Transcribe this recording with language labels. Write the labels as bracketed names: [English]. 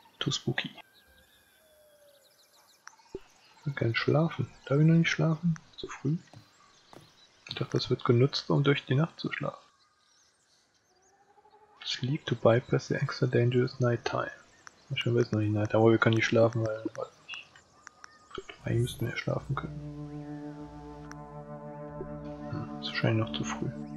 [English] Spooky. [German] Ich will gerne schlafen. Darf ich noch nicht schlafen? Zu früh? Ich dachte, das wird genutzt, um durch die Nacht zu schlafen. [English] Sleep to bypass the extra dangerous night time. [German] Schon wird es noch nicht night, aber wir können nicht schlafen, weil weiß nicht. Eigentlich müssten wir ja schlafen können. Ist wahrscheinlich noch zu früh.